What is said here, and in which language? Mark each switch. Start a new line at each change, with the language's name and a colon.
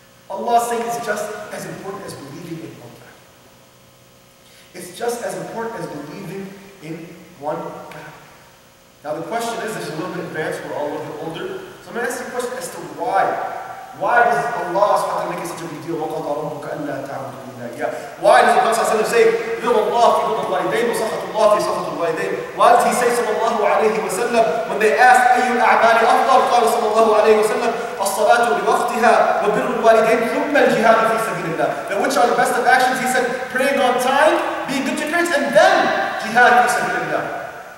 English: Allah is saying it's just as important as believing in one God. It's just as important as believing in one God. Now the question is, this is a little bit advanced, we're all a little bit older. So I'm going to ask you a question as to why. Why does Allah subhanahu wa ta'ala make it such a big deal?
Arabic: وَقَضَى رَبُّكَ أَلَّا تَعْبُدُوا إِلَّا إِيَّاهُ.
English: Yeah. Why does the Prophet sallallahu alayhi wa sallam say,
Arabic: يُضِلُّ اللَّهُ فِي ضِلِّ الْوَالِدَيْنِ وَسَخَطُ اللَّهُ فِي سَخَطِ الْوَالِدَيْنِ.
English: Why does he say sallallahu alayhi wa sallam, when they ask,
Arabic: أَيُّ الْأَعْمَالِ أَفْضَلُ قَالَ sallallahu alayhi wa sallam, الصَّلَاةُ لِوَقْتِهَا وَبِرُّ الْوَالِدَيْنِ ثُمَّ الْجِهَادُ فِي سَبِيلِ اللَّهِ.
English: Then which are the best of actions? He said, praying on time, being good to parents, and then jihad fi sabili Allah.